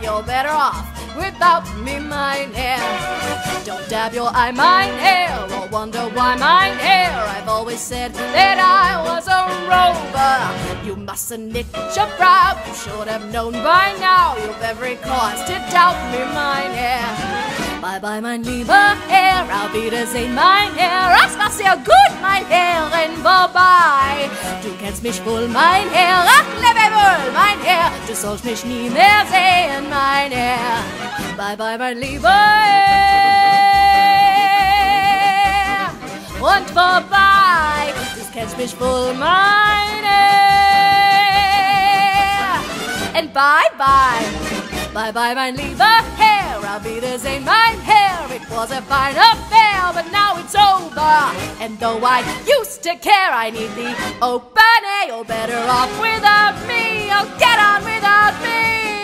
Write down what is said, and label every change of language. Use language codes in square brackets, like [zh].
[en] You're better off without me, mein Herr. Don't dab your eye, mein Herr, or wonder why, mein Herr. I've always said that I was a rover. You mustn't knit your brow, you should have known by now. You've every cause to doubt me, mein Herr. Bye bye, [de] mein lieber Herr, auf Wiedersehen, mein Herr. Das war sehr gut, mein Herr, in vorbei. Du kennst mich wohl, mein Herr, ach, lebe wohl, mein Herr. Du sollst mich nie mehr sehen, mein Herr. [en] Bye bye, [de] mein lieber Herr, und vorbei. Du kennst mich wohl, mein Herr, [en] and bye bye. Bye bye, [de] mein lieber Herr, auf Wiedersehen, mein Herr. [en] It was a fine affair, but now it's over. And though I used to care, I need the open air. You're better off without me, oh, get on without me.